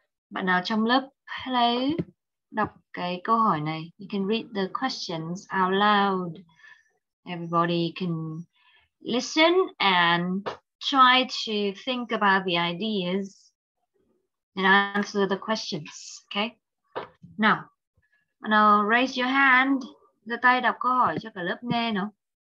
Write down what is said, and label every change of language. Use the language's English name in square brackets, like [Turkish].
[Vietnamese] Bạn nào trong lớp, hello, đọc cái câu hỏi này. [English] You can read the questions out loud. Everybody can listen and try to think about the ideas and answer the questions, okay? Now, now raise your hand. [Vietnamese] Giơ tay đọc câu hỏi cho cả lớp nghe nào.